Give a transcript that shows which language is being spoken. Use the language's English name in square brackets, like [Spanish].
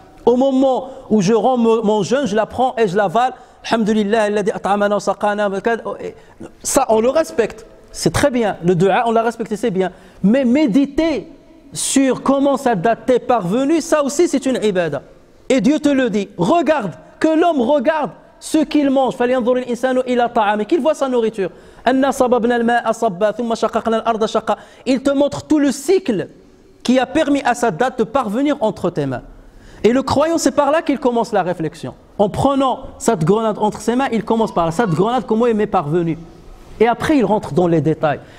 [French] Au moment où je rends mon jeûne, je la prends et je l'avale. « [Arabic] Alhamdulillah, alladhi at'amana wa saqana [French] » Ça, on le respecte. C'est très bien, le dua, on l'a respecté, c'est bien. Mais méditer sur comment sa date est parvenue, ça aussi c'est une ibada. Et Dieu te le dit, regarde, que l'homme regarde ce qu'il mange. [Arabic] فَلْيَنْظُرِ الْإِنسَانُ إِلَى طَعَامِهِ, [French] qu'il voit sa nourriture. [Arabic] أَنَّا صَبَبْنَا الْمَاءَ أَصَبَّا ثُمَّ شَقَقْنَا الْأَرْضَ شَقَّا. [French] Il te montre tout le cycle qui a permis à sa date de parvenir entre tes mains. Et le croyant, c'est par là qu'il commence la réflexion. En prenant cette grenade entre ses mains, il commence par là. Cette grenade, comment elle m'est parvenue? Et après, il rentre dans les détails.